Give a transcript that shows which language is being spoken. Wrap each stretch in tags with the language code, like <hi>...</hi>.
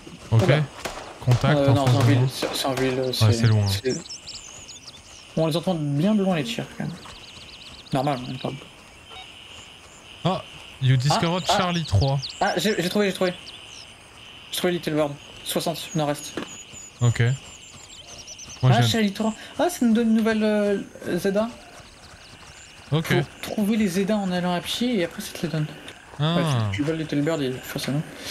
<fr>Ok. Oh ben. Contact, non, c'est en ville, c'est en ville. C'est, ouais, c'est loin. C'est... Bon, on les entend bien de loin les tirs quand même. Normal, on parle.</fr> <en>Oh, you discovered Charlie 3.</en> <fr>Ah, j'ai trouvé. J'ai trouvé Little World, 60 nord-est. Ok. Moi, ah, j'aime. Charlie 3. Ah, ça nous donne une nouvelle Zelda. Ok. Faut trouver les Zelda en allant à pied et après ça te les donne. Ah. Ouais, tu voles Little Bird, il faut ça non.</fr>